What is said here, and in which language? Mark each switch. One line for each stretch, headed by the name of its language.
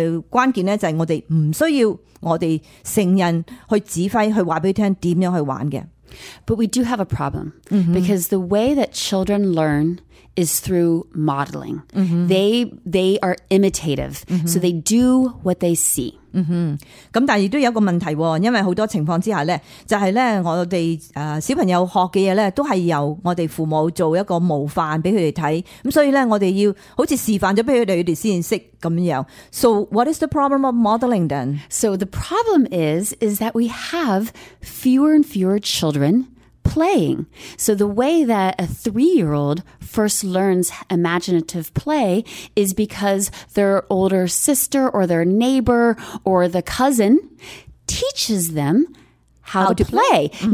Cantonese: 關鍵咧就係我哋唔需要我哋成人去指揮，去話俾佢聽點樣去玩嘅。
English: But we do have a problem、mm-hmm. because the way that children learn is through modeling.、Mm-hmm. They are imitative,、mm-hmm. so they do what they see.
Cantonese: 咁、但亦都有个问题，因为好多情况之下咧，就系咧我哋小朋友学嘅嘢咧，都系由我哋父母做一个模范俾佢哋睇。咁所以咧，我哋要好似示范咗俾佢哋，佢哋先识咁样。
English: So what is the problem of modeling then? So the problem is that we have fewer and fewer children. Playing. So the way that a three-year-old first learns imaginative play is because their older sister or their neighbor or the cousin teaches them how to play. Mm-hmm.